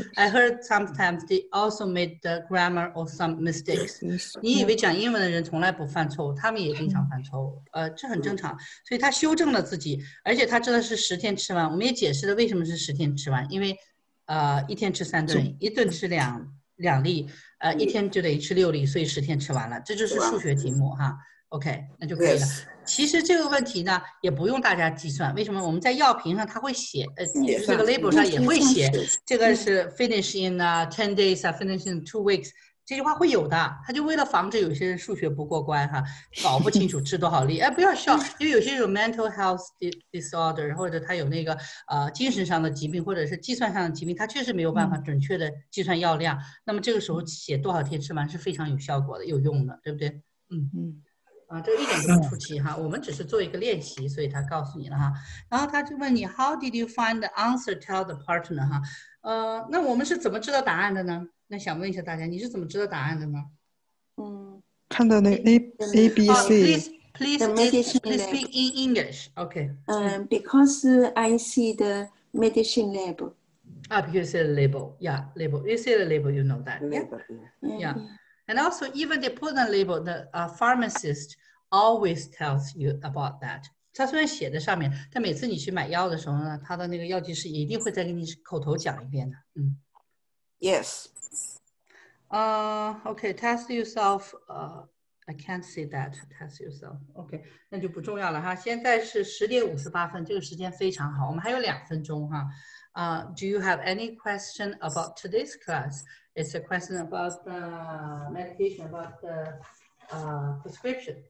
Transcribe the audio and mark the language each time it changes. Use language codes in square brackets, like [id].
[en] I heard sometimes they also made the grammar or some mistakes. [zh] 你以为讲英文的人从来不犯错误，他们也经常犯错误，这很正常。所以他修正了自己，而且他真的是十天吃完，我们也解释了为什么是十天吃完，因为一天吃三顿，一顿吃两粒，一天就得吃6粒，所以十天吃完了，这就是数学题目哈。 OK, 那就可以了。其实这个问题呢，也不用大家计算，为什么？我们在药瓶上它会写，就是这个 label 上也会写，这个是 [en] finish in 10 days, finish in 2 weeks, [zh] 这句话会有的，它就为了防止有些人数学不过关哈，搞不清楚吃多少粒。哎，不要笑，因为有些有 [en] mental health disorder, [zh] 或者他有那个精神上的疾病，或者是计算上的疾病，他确实没有办法准确的计算药量。那么这个时候写多少天吃完是非常有效果的，有用的，对不对？这一点都不出奇哈，我们只是做一个练习，所以他告诉你了哈。然后他就问你 [en] ,How did you find the answer tell the partner? [zh] 哈，那我们是怎么知道答案的呢？那想问一下大家，你是怎么知道答案的呢？看到那 ABC、 [en] Please speak in English. Okay. Because I see the medicine label. Because you see the label. Yeah, label. You see the label, you know that. And also, even they put the label, the pharmacist always tells you about that. [zh] 他虽然写在上面，但每次你去买药的时候呢，他的那个药剂师一定会再给你口头讲一遍的。 [en] Yes. Okay. Test yourself. I can't see that. Test yourself. Okay. [zh] 那就不重要了哈。现在是10:58，这个时间非常好，我们还有两分钟哈。 [en] Do you have any question about today's class? It's a question about the medication, about the prescription.